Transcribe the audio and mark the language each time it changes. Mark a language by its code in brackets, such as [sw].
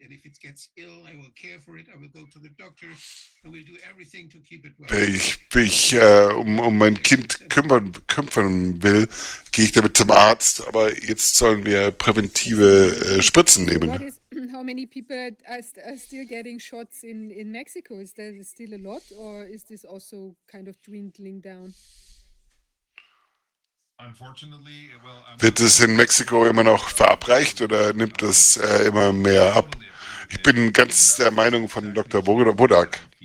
[en] And if it gets ill, I will care for it. I will go to the doctor and we'll do everything to keep it well. [de] Wenn ich um mein Kind kümmern will, gehe ich damit zum Arzt. Aber jetzt sollen wir präventive Spritzen nehmen. [en] How many people are still getting shots in Mexico? Is there still a lot or is this also kind of dwindling down? Unfortunately, [de] wird es in Mexiko immer noch verabreicht oder nimmt das immer mehr ab? Ich bin ganz der Meinung von Dr. Budak.